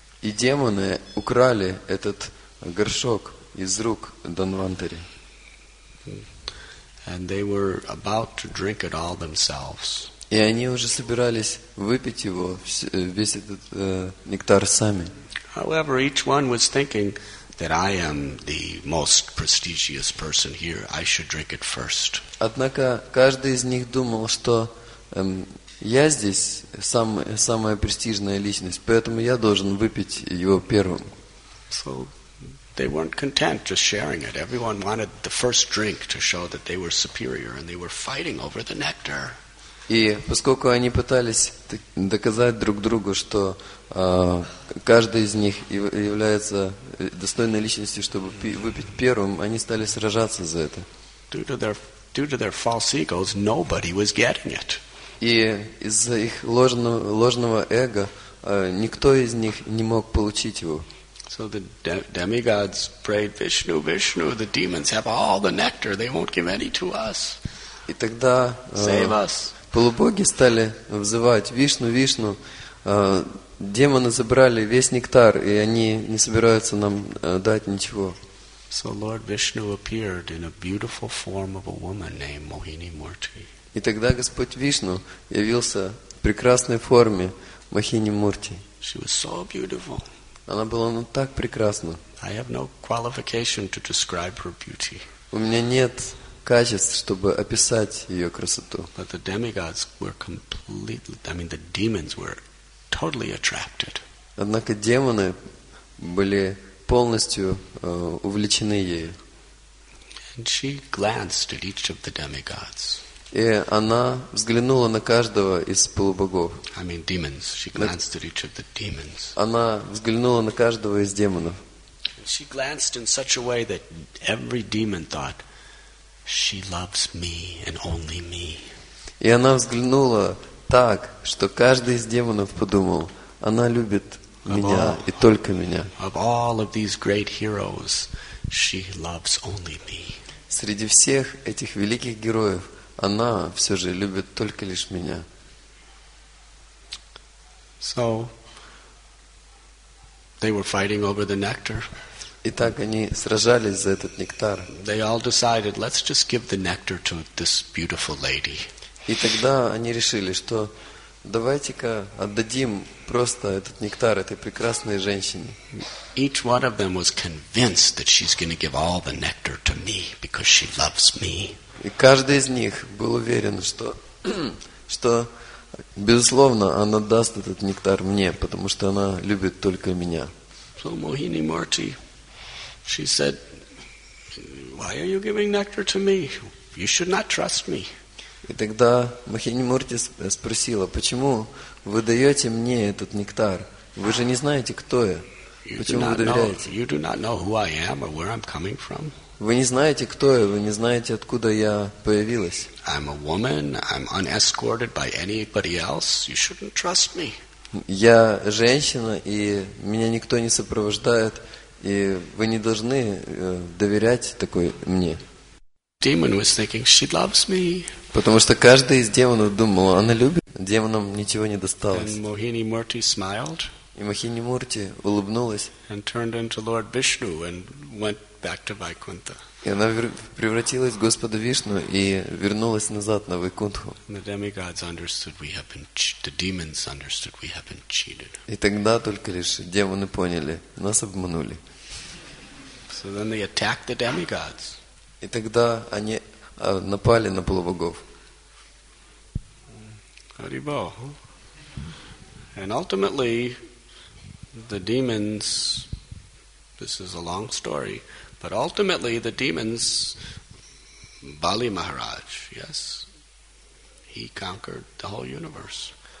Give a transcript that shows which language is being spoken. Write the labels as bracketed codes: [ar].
[ru] И демоны украли этот горшок из рук Данвантари. [en] And they were about to drink it all themselves. [ru] И они уже собирались выпить его, весь этот нектар сами. [en] However, each one was thinking that I am the most prestigious person here. I should drink it first. [ru] Однако каждый из них думал, что я здесь самая престижная личность, поэтому я должен выпить его первым. [en] So they weren't content just sharing it. Everyone wanted the first drink to show that they were superior, and they were fighting over the nectar. [ru] И поскольку они пытались доказать друг другу, что каждый из них является достойной личностью, чтобы выпить первым, они стали сражаться за это. [en] Due to their false egos, nobody was getting it. [ru] И из-за их ложного эго никто из них не мог получить его. [en] So the demigods prayed, Vishnu, Vishnu, the demons have all the nectar, they won't give any to us. [ru] И тогда [en] save us. [ru] Полубоги стали взывать Вишну, Вишну. Демоны забрали весь нектар, и они не собираются нам дать ничего. [en] So Lord Vishnu appeared in a beautiful form of a woman named Mohini Murti. [ru] И тогда Господь Вишну явился в прекрасной форме Мохини Мурти. [en] She was so beautiful. [ru] Она была так прекрасна. [en] I have no qualification to describe her beauty. [ru] У меня нет качеств, чтобы описать ее красоту. [en] But the demigods were completely, I mean, the demons were totally attracted. [ru] Однако демоны были полностью увлечены ею. [en] And she glanced at each of the demigods. [ru] И она взглянула на каждого из полубогов. [en] I mean, demons. She glanced at each of the demons. [ru] Она взглянула на каждого из демонов. [en] She glanced in such a way that every demon thought, she loves me and only me. [ru] И она взглянула так, что каждый из демонов подумал, она любит меня и только меня. [en] Of all of these great heroes, she loves only me. [ru] Среди всех этих великих героев она все же любит только лишь меня. [en] So they were fighting over the nectar. [ru] Итак, они сражались за этот нектар. [en] They all decided, let's just give the nectar to this beautiful lady. [ru] И тогда они решили, что давайте-ка отдадим просто этот нектар этой прекрасной женщине. [en] Each one of them was convinced that she's going to give all the nectar to me because she loves me. [ru] И каждый из них был уверен, что, безусловно, она даст этот нектар мне, потому что она любит только меня. [en] So Mohini Murti, she said, why are you giving nectar to me? You should not trust me. [ru] И тогда Mohini Murti спросила, почему вы даете мне этот нектар? Вы же не знаете, кто я. Почему вы доверяете? [en] You do not know who I am or where I'm coming from. [ru] Вы не знаете, кто я, вы не знаете, откуда я появилась. [en] I'm a woman, I'm unescorted by anybody else. You shouldn't trust me. [ru] Я женщина, и меня никто не сопровождает, и вы не должны доверять такой мне. [en] Demon was thinking she loves me. [ru] Потому что каждый из демонов думал, она любит. Демонам ничего не досталось. [en] And Mohini Murti smiled. [ru] И Мохини Мурти улыбнулась. [en] And turned into Lord Vishnu and went back to Vaikuntha. [ru] И она превратилась в Господа Вишну и вернулась назад на Вайкунтху. [en] The demigods understood we have been the demons understood we have been cheated. [ru] И тогда только лишь демоны поняли, нас обманули. [en] So then they attacked the demigods. [ru] И тогда они напали на полубогов. Арибо. [en] And ultimately the demons, this is a long story, but ultimately the demons, Bali Maharaj, yes, he conquered the whole universe.